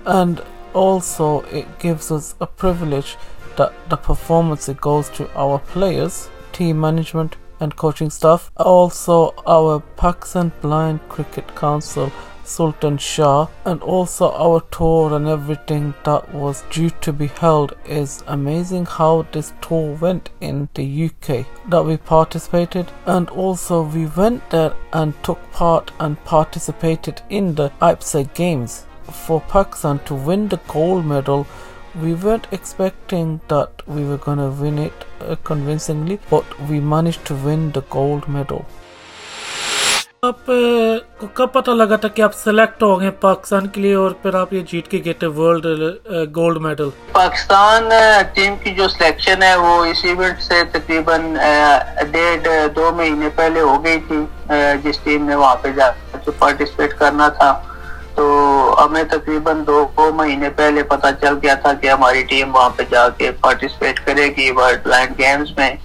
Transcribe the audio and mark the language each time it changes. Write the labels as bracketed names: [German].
[English] And also it gives us a privilege that the performance it goes to our players, team management and coaching staff, also our Pakistan blind cricket council Sultan Shah, and also our tour and everything that was due to be held. Is amazing how this tour went in the UK that we participated, and also we went there and took part and participated in the IBSA games for Pakistan to win the gold medal. We weren't expecting that we were gonna win it convincingly, but we managed to win the gold medal. [Hindi] आप को कब पता लगा था कि आप select हो गए पाकिस्तान के लिए और फिर आप ये जीत के गए थे world gold medal? Pakistan team की जो सिलेक्शन है वो इस इवेंट से तकरीबन डेढ़ दो महीने पहले हो गई थी. जिस टीम ने वहाँ पे जाकर पार्टिसिपेट करना था तो हमें तकरीबन दो महीने पहले पता चल गया था कि हमारी टीम वहाँ पे जाके पार्टिसिपेट करेगी वर्ल्ड ब्लाइंड गेम्स में.